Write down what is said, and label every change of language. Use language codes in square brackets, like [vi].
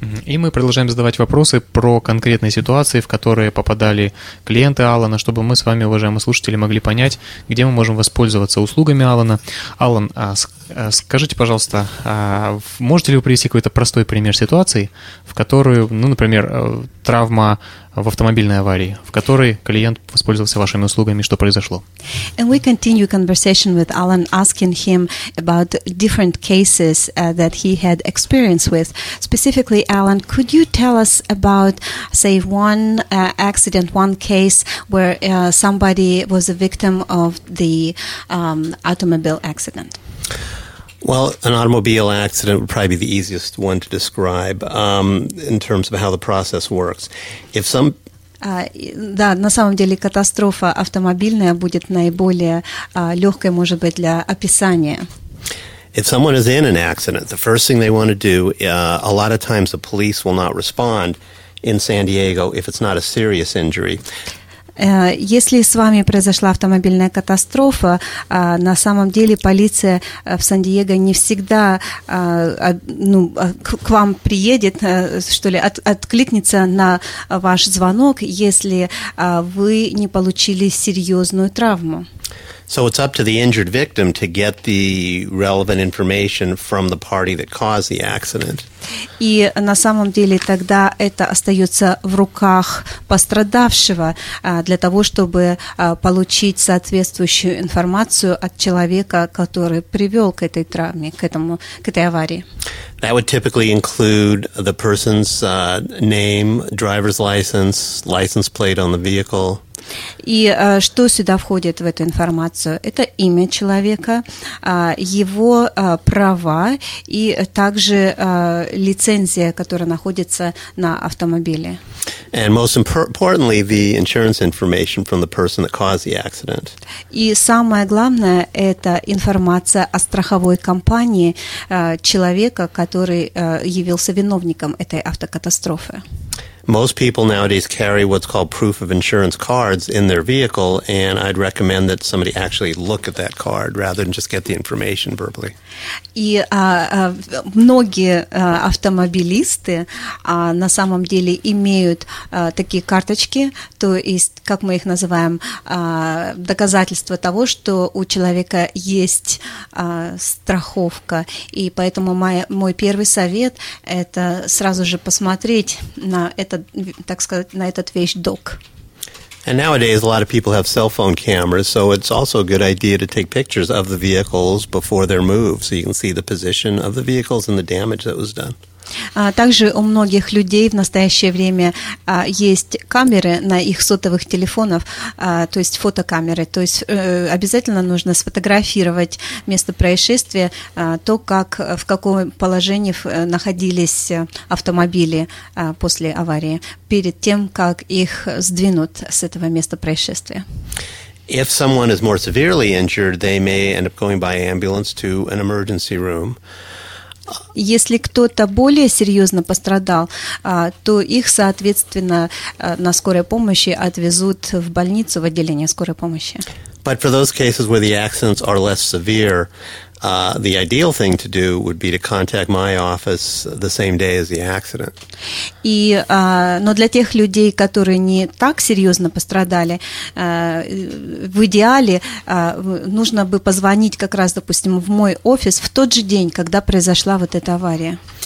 [ru] И мы продолжаем задавать вопросы про конкретные ситуации, в которые попадали клиенты Алана, чтобы мы с вами, уважаемые слушатели, могли понять, где мы можем воспользоваться услугами Алана. Алан, скажите, пожалуйста, можете ли вы привести какой-то простой пример ситуации, в которую, ну, например, травма в автомобильной аварии, в которой клиент воспользовался вашими услугами, что произошло? [en] And we continue conversation with Alan, asking him about different cases that he had experience with. Specifically, Alan, could you tell us about, say, one accident, one case where somebody was a victim of the automobile accident? Well, an automobile accident would probably be the easiest one to describe in terms of how the process works. If some [ru] Да, на самом деле катастрофа автомобильная будет наиболее легкой, может быть, для описания. [en] If someone is in an accident, the first thing they want to do, a lot of times the police will not respond in San Diego if it's not a serious injury. [ru] Если с вами произошла автомобильная катастрофа, на самом деле полиция в Сан-Диего не всегда к вам приедет, что ли, откликнется на ваш звонок, если вы не получили серьезную травму. [en] So it's up to the injured victim to get the relevant information from the party that caused the accident. [ru] И на самом деле тогда это остается в руках пострадавшего для того, чтобы получить соответствующую информацию от человека, который привел к этой травме, к этой аварии. [en] That would typically include the person's name, driver's license, license plate on the vehicle. [ru] И что сюда входит в эту информацию? Это имя человека, его права и также лицензия, которая находится на автомобиле. [en] And most importantly, the insurance information from the person that caused the accident. [ru] И самое главное – это информация о страховой компании человека, который явился виновником этой автокатастрофы. [en] Most people nowadays carry what's called proof of insurance cards in their vehicle, and I'd recommend that somebody actually look at that card rather than just get the information verbally. [ru] И многие автомобилисты на самом деле имеют такие карточки, то есть, как мы их называем, доказательство того, что у человека есть страховка. И поэтому мой первый совет – это сразу же посмотреть на этот, так сказать, на этот вещдок. [en] And nowadays a lot of people have cell phone cameras, so it's also a good idea to take pictures of the vehicles before they're moved, so you can see the position of the vehicles and the damage that was done. [ru] Также у многих людей в настоящее время есть камеры на их сотовых телефонах, то есть фотокамеры. То есть обязательно нужно сфотографировать место происшествия, то, как, в каком положении находились автомобили после аварии, перед тем, как их сдвинут с этого места происшествия. [en] If someone is more severely injured, they may end up going by ambulance to an emergency room. [ru] Если кто-то более серьезно пострадал, то их, соответственно, на скорой помощи отвезут в больницу, в отделение скорой помощи. [en] But for those cases where the accidents are less severe, the ideal thing to do would be to contact my office the same day as the accident. [ru] И, но для тех людей, которые не так серьезно пострадали, в идеале нужно бы позвонить как раз, допустим, в мой офис в тот же день, когда произошла вот эта авария.